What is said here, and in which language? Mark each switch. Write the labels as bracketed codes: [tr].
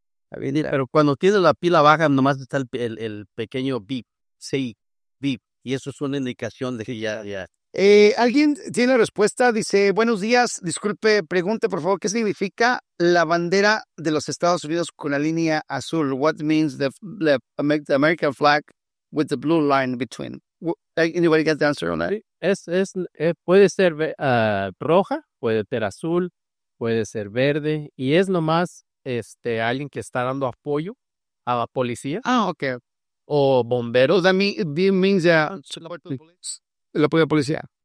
[es] Pero cuando tiene la pila baja, nomás está el pequeño beep. Sí, beep. Y eso es una indicación de que ya. ¿Alguien tiene la respuesta? Dice, buenos días, disculpe, pregunte por favor, ¿qué significa la bandera de los Estados Unidos con la línea azul? [en] What means the American flag with the blue line between? Anybody get the answer on that? [es] Puede ser roja, puede ser azul, puede ser verde, y es nomás alguien que está dando apoyo a la policía. Ah, okay. O bomberos. [en] That means la policía.